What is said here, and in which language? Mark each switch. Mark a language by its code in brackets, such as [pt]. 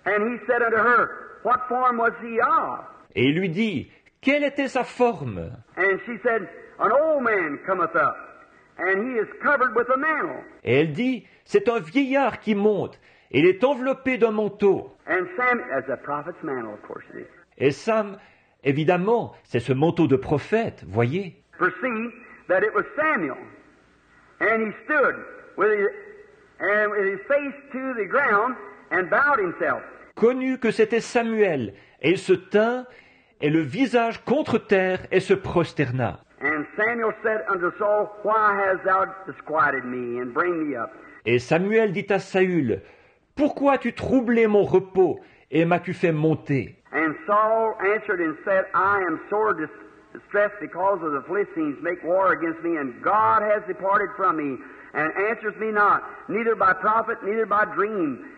[en] And he said unto her, What form was he of? [fr] Et il lui dit, Quelle était sa forme? [en] And she said, An old man cometh up, And he is covered with a mantle. [fr] Et elle dit, c'est un vieillard qui monte. Il est enveloppé d'un manteau. [en] And Sam, as a prophet's mantle, of course it is. [fr] Et Sam, évidemment, c'est ce manteau de prophète, voyez. [en] Perceive that it was Samuel. And he stood with his, and with his face to the ground and bowed himself. [fr] Connu que c'était Samuel, et il se tint, et le visage contre terre, et se prosterna. [en] And Samuel said unto Saul, Why hast thou disquieted me, and bring me up? [fr] Et Samuel dit à Saül, Pourquoi as-tu troublé mon repos, et m'as-tu fait monter? [en] And Saul answered and said, I am sore distressed because of the Philistines make war against me, and God has departed from me, and answers me not, neither by prophet, neither by dream.